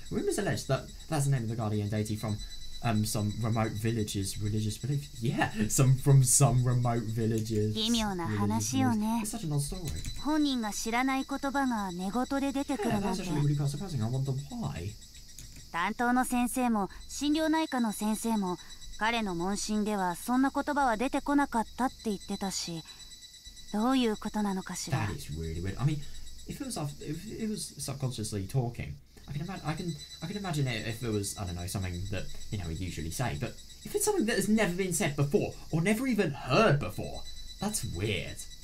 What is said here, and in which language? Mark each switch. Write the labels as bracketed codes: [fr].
[en] Rumors alleged that that's the name of the guardian deity from some remote village's religious belief. Yeah, from some remote village's. It's such an odd story. That's actually really quite surprising. I wonder why. [ja] 担当の先生も診療内科の先生も彼の問診ではそんな言葉は出てこなかったって言ってたし、どういうことなのかしら。 [en] That is really weird. I mean, if it was subconsciously talking. I can imagine it if it was, I don't know, something that, you know, we usually say. But if it's something that has never been said before, or never even heard before, that's weird.